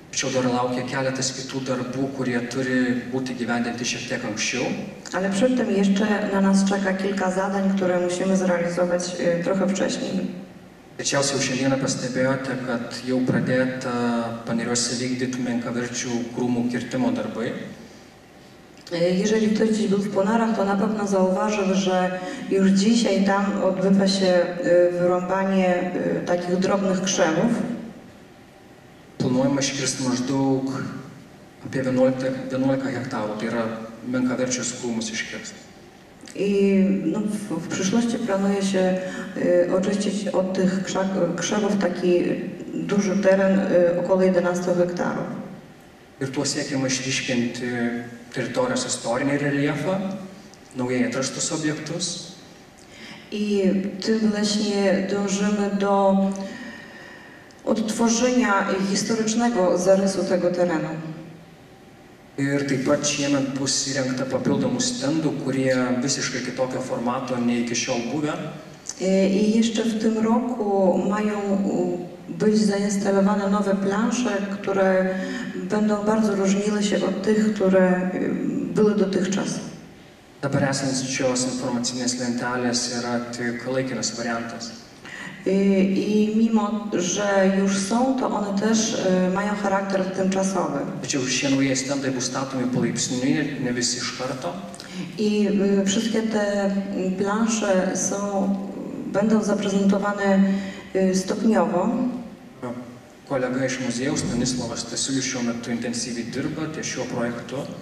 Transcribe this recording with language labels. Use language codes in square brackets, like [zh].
[lt] Tačiau dar laukia keletas kitų darbų, kurie turi būti gyvendinti šiek tiek anksčiau. [pl] Ale przed tym jeszcze na nas czeka kilka zadań, które musimy zrealizować trochę wcześniej. [lt] Tačiausiai jau šiandieną pastebėjote, kad jau pradėta Paneriuose vykdyti menkaverčių krūmų kirtimo darbai. [pl] Jeżeli ktoś gdzieś był w Ponarach, to na pewno zauważył, że już dzisiaj tam odbywa się wyrąbanie takich drobnych krzemów. [lt] Planuojama iškirsti maždaug apie 11 hektarų, tai yra menkaverčius krūmus iškirsti. [pl] I no, w przyszłości planuje się oczyścić od tych krzewów taki duży teren około 11 hektarów. [lt] Ir tuo siekiama išryškinti teritorijos istorinį reliefą, naujai atrastus objektus. [pl] I tym właśnie dążymy do odtworzenia historycznego zarysu tego terenu. [lt] Ir taip pat šiemet bus įrengta papildomų stendų, kurie visiškai kitokio formato nei iki šiol buvę. [pl] I jeszcze w tym roku mają być zainstalowane nowe plansze, które będą bardzo różniły się od tych, które były dotychczas. [lt] Dabar esančios informacinės lentelės yra tik laikinas variantas. [pl] I mimo, że już są, to one też mają charakter tymczasowy. [lt] Tačiau šie nauji stendai bus statomi palaipsniui, ne visi iš karto. [pl] I wszystkie te plansze będą zaprezentowane stopniowo. [lt] Kolega iš muziejaus, Stanislavas Stasiulis, šiuo metu intensyviai dirba ties šiuo projektu.